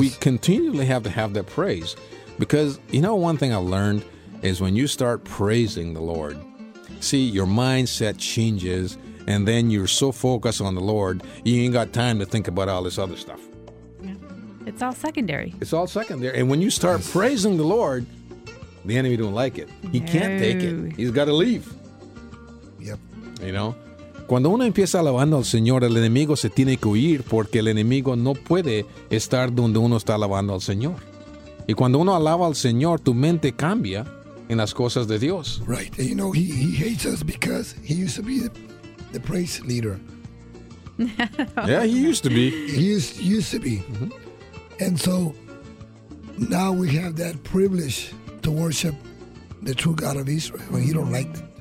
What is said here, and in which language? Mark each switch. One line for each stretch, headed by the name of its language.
English: We continually have to have that praise because, you know, one thing I learned is when you start praising the Lord, see, your mindset changes. And then you're so focused on the Lord, you ain't got time to think about all this other stuff. Yeah. It's all secondary. It's all secondary. And when you start praising the Lord, the enemy don't like it. He can't take it. He's got to leave. Yep. You know?
Spanish: Cuando uno empieza alabando al Señor, el enemigo se tiene que huir porque el enemigo no puede estar donde uno está alabando al Señor. Y cuando uno alaba al Señor, tu mente cambia en las cosas de Dios.
English: Right. And you know, he hates us because he used to be the praise leader. Yeah, he used to be. He used to be. And so now we have that privilege to worship the true God of Israel. When he don't like it.